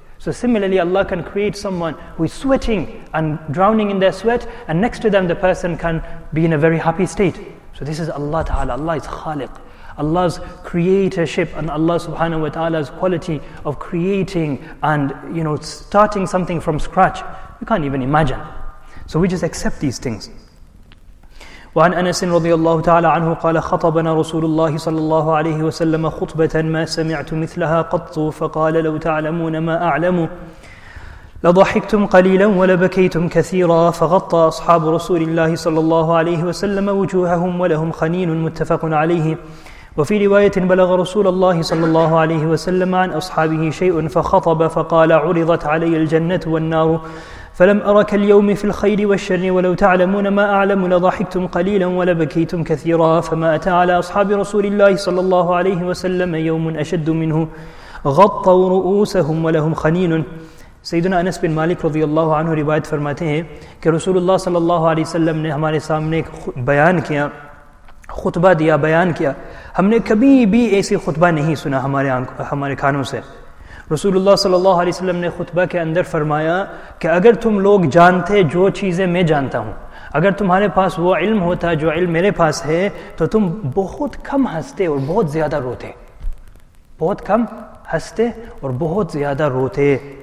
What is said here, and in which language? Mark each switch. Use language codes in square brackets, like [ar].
[en] So similarly, Allah can create someone who is sweating and drowning in their sweat, and next to them the person can be in a very happy state. So this is Allah Ta'ala. Allah is Khaliq. Allah's creatorship and Allah subhanahu wa ta'ala's quality of creating and, you know, starting something from scratch, you can't even imagine. So we just accept these things. [ar] وعن أنس رضي الله تعالى عنه قال خطبنا رسول الله صلى الله عليه وسلم خطبة ما سمعت مثلها قط فقال لو تعلمون ما أعلم لضحكتم قليلا ولبكيتم كثيرا فغطى أصحاب رسول الله صلى الله عليه وسلم وجوههم ولهم خنين متفق عليه وفي رواية بلغ رسول الله صلى الله عليه وسلم عن أصحابه شيء فخطب فقال عرضت علي الجنة والنار فلم أرك اليوم في الخير والشر ولو تعلمون ما أعلم لضحكتم قليلا ولبكيتم كثيرا فما أتى على أصحاب رسول الله صلى الله عليه وسلم يوم أشد منه غطوا رؤوسهم ولهم خنين. [ur] سيدنا أنس بن مالك رضي الله عنه روایت فرماتے ہیں کہ رسول الله صلى الله عليه وسلم نے ہمارے سامنے بیان کیا, خطبہ دیا, بیان کیا. ہم نے کبھی بھی ایسی خطبہ نہیں سنا ہمارے کانوں سے. رسول اللہ صلی اللہ علیہ وسلم نے خطبہ کے اندر فرمایا کہ اگر تم لوگ جانتے جو چیزیں میں جانتا ہوں, اگر تمہارے پاس وہ علم ہوتا جو علم میرے پاس ہے, تو تم بہت کم ہنستے اور بہت زیادہ روتے, بہت کم ہنستے اور بہت زیادہ روتے.